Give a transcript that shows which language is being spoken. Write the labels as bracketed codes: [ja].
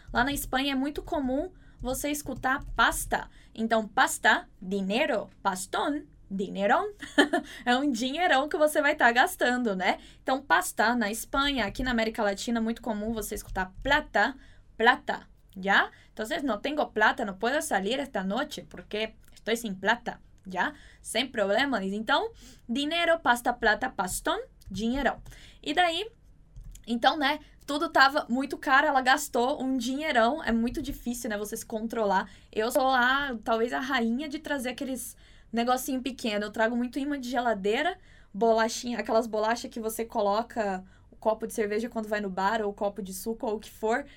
[pt] Lá na Espanha é muito comum você escutar pasta. Então, pasta, dinero, pastón, dineron. É um dinheirão que você vai estar gastando, né? Então, pasta, na Espanha, aqui na América Latina, muito comum você escutar plata, ¿ya? [es] Entonces, no tengo plata, no puedo salir esta noche, porque estoy sin plata, ¿ya? [pt] Sem problema. Então, dinero, pasta, plata, pastón. Dinheirão. E daí, então, né, tudo tava muito caro, ela gastou um dinheirão, é muito difícil, né, você se controlar. Eu sou lá, talvez, a rainha de trazer aqueles negocinho pequeno. Eu trago muito ímã de geladeira, bolachinha, aquelas bolachas que você coloca o copo de cerveja quando vai no bar, ou copo de suco, ou o que for.